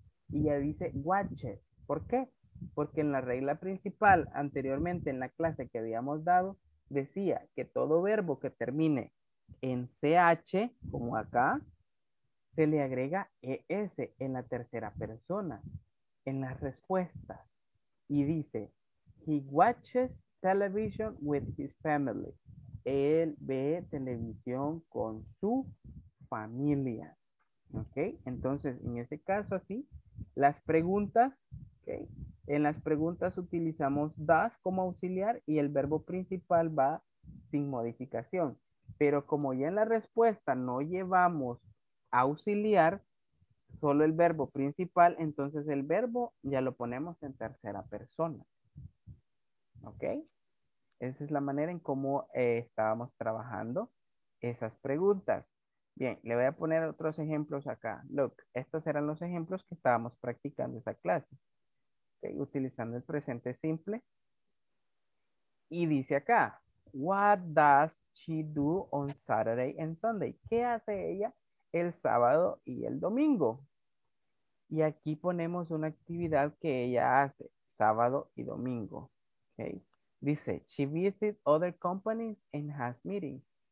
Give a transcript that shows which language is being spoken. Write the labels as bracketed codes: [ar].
[es] Y ya dice watches. ¿Por qué? Porque en la regla principal, anteriormente en la clase que habíamos dado, decía que todo verbo que termine en CH, como acá, se le agrega ES en la tercera persona, en las respuestas. Y dice, [en] he watches television with his family. [es] Él ve televisión con su familia. ¿Ok? Entonces, en ese caso, así, las preguntas, ¿ok? En las preguntas utilizamos does como auxiliar y el verbo principal va sin modificación. Pero como ya en la respuesta no llevamos auxiliar, solo el verbo principal, entonces el verbo ya lo ponemos en tercera persona. ¿Ok? Esa es la manera en cómo estábamos trabajando esas preguntas. Bien, le voy a poner otros ejemplos acá. Look, estos eran los ejemplos que estábamos practicando esa clase. ¿Okay? Utilizando el presente simple. Y dice acá, [en] what does she do on Saturday and Sunday? [es] ¿Qué hace ella el sábado y el domingo? Y aquí ponemos una actividad que ella hace sábado y domingo. ¿Okay? Dice, [en] she visits other companies and has meetings.